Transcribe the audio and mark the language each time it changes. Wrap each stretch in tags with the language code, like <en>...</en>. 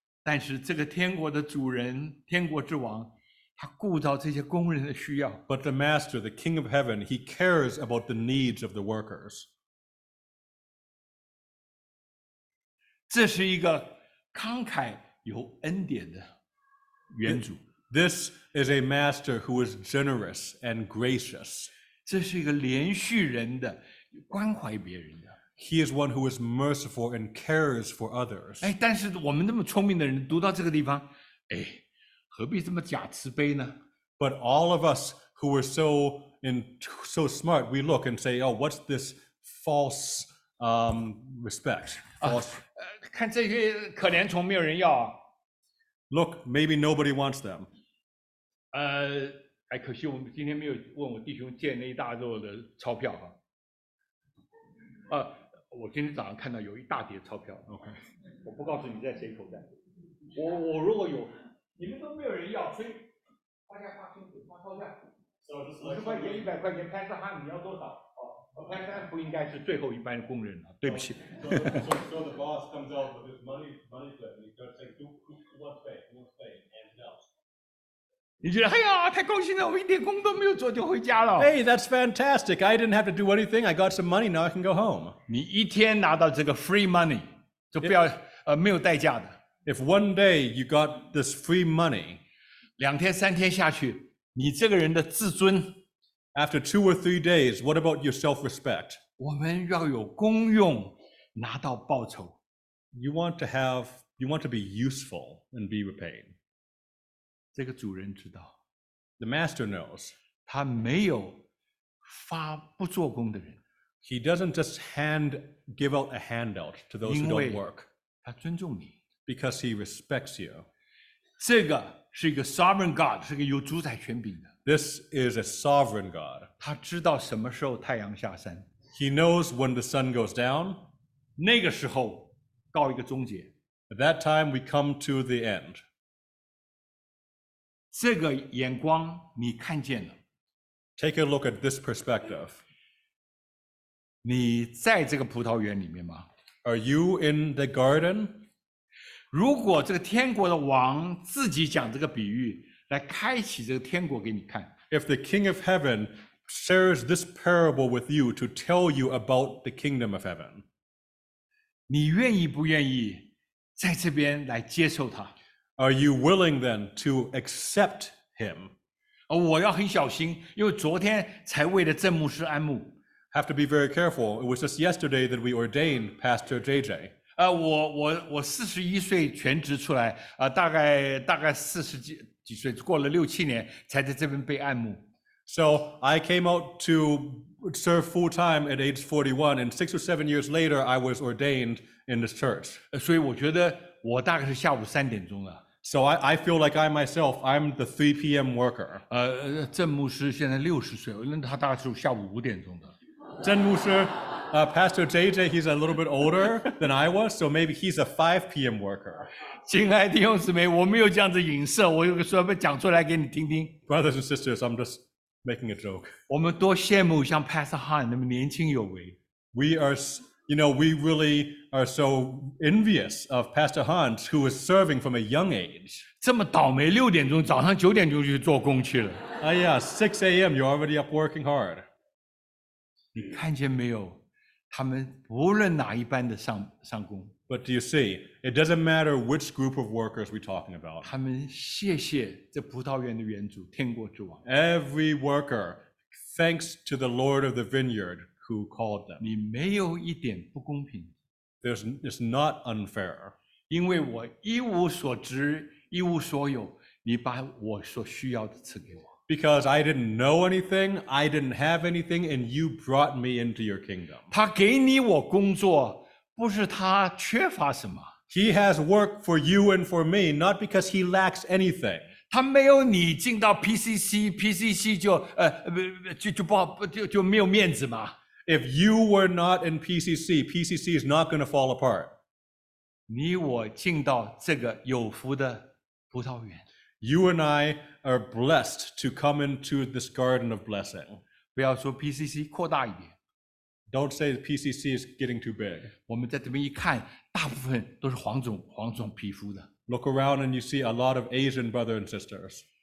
<zh>但是这个天国的主人，天国之王，他顾到这些工人的需要。</zh> <en>But the master, the king of heaven, he cares about the needs of the workers.</en> <zh>这是一个慷慨有恩典的原主。</zh> <en>This is a master who is generous and gracious.</en> <zh>这是一个连续人的关怀别人的。</zh> <en>He is one who is merciful and cares for others.</en> <zh>哎，但是我们那么聪明的人读到这个地方，哎，何必这么假慈悲呢？</zh> <en>But all of us who are so smart, we look and say, "Oh, what's this false respect?" False.</en> <zh>看这些可怜虫，没有人要。</zh> <en>Look, maybe nobody wants them.</en> <zh>哎，可惜我们今天没有问我弟兄借那一大摞的钞票啊。我今天早上看到有一大叠钞票。</zh> <en>Okay.</en> <zh>我不告诉你在谁口袋。我如果有。你们都没有人要，所以大家画清楚，画钞票，50块钱、100块钱，潘三哈，你要多少？哦，潘三不应该是最后一班工人了，对不起。</zh> <en>So the boss comes out with his money plan. He starts saying, "Who wants pay? Hands up."</en> <zh>你觉得哎呀太高兴了，我一点工都没有做就回家了。</zh> <en>Hey, that's fantastic. I didn't have to do anything. I got some money. Now I can go home.</en> <zh>你一天拿到这个</zh> <en>free money,</en> <zh>就不要 没有代价的。</zh> <en>If one day you got this free money,</en> <zh>两天三天下去，你这个人的自尊。</zh> <en>After two or three days, what about your self-respect?</en> <zh>我们要有功用，拿到报酬。</zh> <en>You want to be useful and be repaid.</en> <zh>这个主人知道</zh> <en>，The master knows，</en> <zh>他没有发不做工的人。</zh> <en>He doesn't just give out a handout to those who don't work。</en> <zh>他尊重你</zh> <en>，because he respects you。</en> <zh>这个是一个</zh> <en>sovereign God，</en> <zh>是个有主宰权柄的。</zh> <en>This is a sovereign God。</en> <zh>他知道什么时候太阳下山。</zh> <en>He knows when the sun goes down。</en> <zh>那个时候告一个终结。</zh> <en>At that time we come to the end。</en> <zh>这个眼光你看见了。</zh> <en>Take a look at this perspective.</en> <zh>你在这个葡萄园里面吗？</zh> <en>Are you in the garden?</en> <zh>如果这个天国的王自己讲这个比喻，来开启这个天国给你看。</zh> <en>If the king of heaven shares this parable with you to tell you about the kingdom of heaven,</en> <zh>你愿意不愿意在这边来接受它？</zh> <en>Are you willing then to accept him?</en> <zh>我要很小心，因为昨天才为了郑牧师安牧。</zh> <en>Have to be very careful. It was just yesterday that we ordained Pastor JJ.</en> <zh>我41岁全职出来，大概40几岁，过了六七年才在这边被安牧。</zh> <en>So I came out to serve full time at age 41, and 6 or 7 years later, I was ordained in this church.</en> <zh>所以我觉得。我大概是下午三点钟了。</zh> <en>So I feel like I myself, I'm the 3 p.m. worker.</en> <zh>郑牧师现在60岁，那他大概是下午5点钟的。</zh> <en>郑牧师 ，Pastor JJ, he's a little bit older than I was, so maybe he's a 5 p.m. worker.</en> <zh>亲爱的弟兄姊妹，我没有这样子影射，我有个说法讲出来给你听听。</zh> <en>Brothers and sisters, I'm just making a joke.</en> <zh>我们多羡慕像 Pastor Han 那么年轻有为。</zh> <en>You know, we really are so envious of Pastor Hans, who is serving from a young age.</en> <zh>这么倒霉，六点钟，早上九点钟就去做工去了。</zh> <en>哎呀 ,6 a.m., you're already up working hard.</en> <zh>你看见没有？他们无论哪一班的上工。</zh> <en>But do you see, it doesn't matter which group of workers we're talking about.</en> <zh>他们谢谢这葡萄园的园主，天国之王。</zh> <en>Every worker, thanks to the Lord of the vineyard,Who called them.</en> <zh>你没有一点不公平。</zh> <en>It's not unfair.</en> <zh>因为我一无所知，一无所有，你把我所需要的赐给我。</zh> <en>Because I didn't know anything, I didn't have anything, and you brought me into your kingdom.</en> <zh>他给你我工作，不是他缺乏什么。</zh> <en>He has work for you and for me, not because he lacks anything.</en> <zh>他没有你进到 PCC 就没有面子嘛。</zh> <en>If you were not in PCC, PCC is not going to fall apart.</en> <zh>你我进到这个有福的葡萄园。</zh> <en>You and I are blessed to come into this garden of blessing.</en> <zh>不要说 PCC 扩大一点。</zh> <en>Don't say PCC is getting too big.</en> <zh>我们在这边一看，大部分都是黄种皮肤的。</zh> <en>Look around and you see a lot of Asian brothers and sisters.</en>